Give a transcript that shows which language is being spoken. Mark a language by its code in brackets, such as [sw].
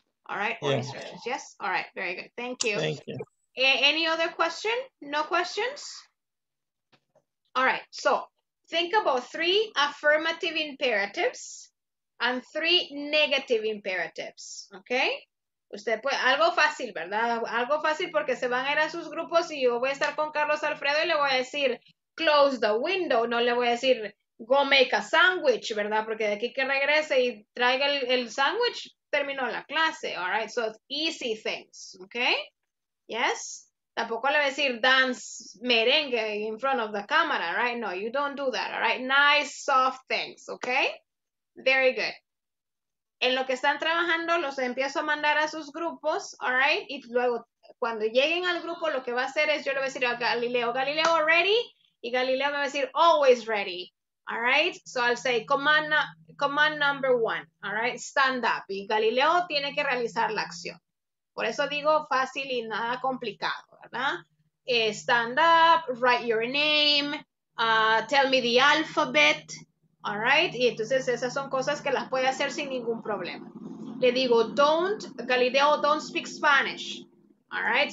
[en] All right, yeah. Or instructions, yes? All right, very good. Thank you. Thank you. Any other question? No questions? All right, so think about 3 affirmative imperatives and 3 negative imperatives, okay? [es] Usted puede, algo fácil, ¿verdad? Algo fácil porque se van a ir a sus grupos y yo voy a estar con Carlos Alfredo y le voy a decir, [en] close the window, [es] no le voy a decir, [en] go make a sandwich, [es] ¿verdad? Porque de aquí que regrese y traiga el sandwich, terminó la clase, [en] all right? So it's easy things, okay? Yes? [es] Tampoco le voy a decir [en] dance merengue in front of the camera, [es] right? [en] No, you don't do that, all right? Nice, soft things, okay? Very good. [es] En lo que están trabajando, los empiezo a mandar a sus grupos, all right? Y luego, cuando lleguen al grupo, lo que va a hacer es, yo le voy a decir a Galileo, Galileo, ready? Y Galileo me va a decir, [en] always ready, all right? So I'll say, command number one, all right? Stand up. [es] Y Galileo tiene que realizar la acción. Por eso digo fácil y nada complicado, ¿verdad? [en] Stand up, write your name, tell me the alphabet, all right? [es] Y entonces esas son cosas que las puede hacer sin ningún problema. Le digo, [en] don't, Galileo, don't speak Spanish, all right?